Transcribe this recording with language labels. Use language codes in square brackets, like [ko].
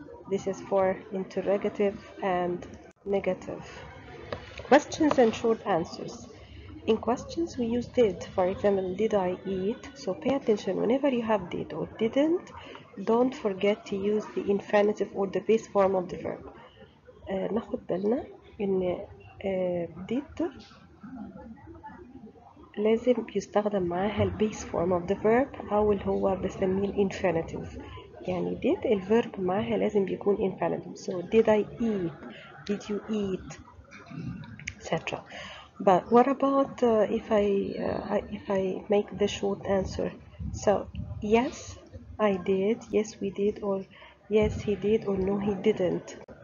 [en] This is for interrogative and negative. Questions and short answers. In questions, we use did. For example, did I eat? So pay attention. Whenever you have did or didn't, don't forget to use the infinitive or the base form of the verb. [ar] ناخد بالنا إن did لازم يستخدم معاها الـ [en] base form of the verb [ar] أو اللي هو بسميه الـ infinitive. يعني did الـ verb معاها لازم يكون infinitive. [en] So did I eat? Did you eat? Etc. But what about if I make the short answer? So yes, I did. Yes, we did. Or yes, he did. Or no, he didn't.